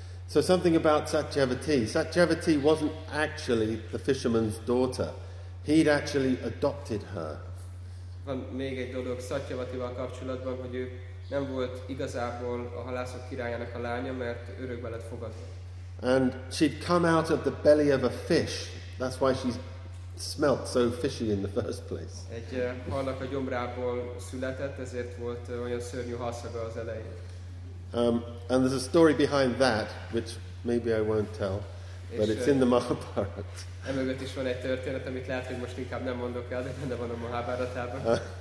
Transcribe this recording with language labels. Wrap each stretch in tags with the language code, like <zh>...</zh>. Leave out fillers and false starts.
<en>So something about Satyavati. Satyavati wasn't actually the fisherman's daughter. He'd actually adopted her.</en> <hu>Van még egy dolog Satyavatival kapcsolatban, hogy ő nem volt igazából a halászok királyának a lánya, mert örökbe lett fogadva.</hu> <en>And she'd come out of the belly of a fish. That's why she's smelt so fishy in the first place.</en> <hu>Egy halnak a gyomrából született, ezért volt olyan szörnyű halszaga az elején.</hu> <en>And there's a story behind that, which maybe I won't tell, but it's in the Mahabharata.</en> <hu>Emögött is van egy történet, amit lehet, hogy most inkább nem mondok el, de benne van a Mahabharatában.</hu>